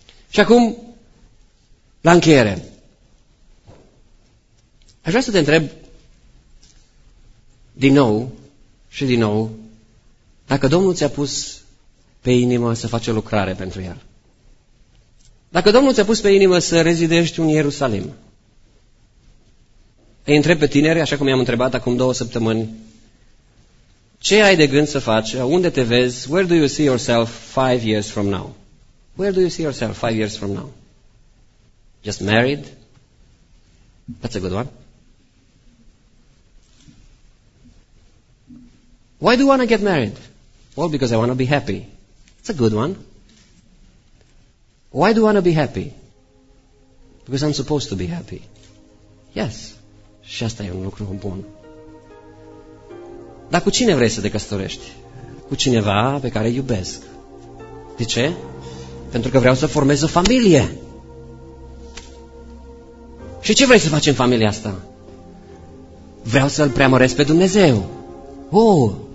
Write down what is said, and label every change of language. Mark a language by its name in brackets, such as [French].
[Romanian] Și acum, la încheiere, aș vrea să te întreb din nou și din nou dacă Domnul ți-a pus pe inimă să faci lucrare pentru El. Dacă Domnul ți-a pus pe inimă să rezidești în Ierusalim, îi întreb pe tineri, așa cum i-am întrebat acum 2 săptămâni, ce ai de gând să faci, unde te vezi, [English] where do you see yourself 5 years from now? Where do you see yourself 5 years from now? Just married? That's a good one. Why do you want to get married? Well, because I want to be happy. That's a good one. Why do you want to be happy? Because I'm supposed to be happy. [Romanian] Yes. Și asta e un lucru bun. Dar cu cine vrei să te căsătorești? Cu cineva pe care iubesc. De ce? Pentru că vreau să formez o familie. Și ce vrei să faci în familia asta? Vreau să-L preamăresc pe Dumnezeu. Oh!